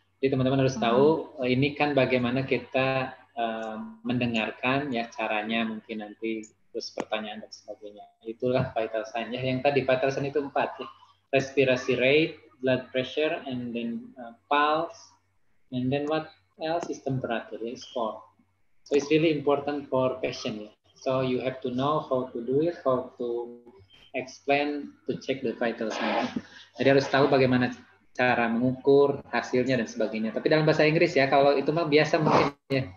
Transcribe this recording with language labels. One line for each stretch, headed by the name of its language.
Indonesian: Jadi teman-teman harus tahu ini kan bagaimana kita mendengarkan ya caranya mungkin nanti terus pertanyaan dan sebagainya. Itulah vital sign ya. Yang tadi vital sign itu 4 ya.
English: Respirasi rate, blood pressure, and then pulse, and then what else is temperature, ya, is 4. So it's really important for patient ya. So you have to know how to do it, how to explain to check the vital sign.
Indonesian: Ya. Jadi harus tahu bagaimana cara mengukur hasilnya dan sebagainya. Tapi dalam bahasa Inggris ya, kalau itu mah biasa mungkin ya.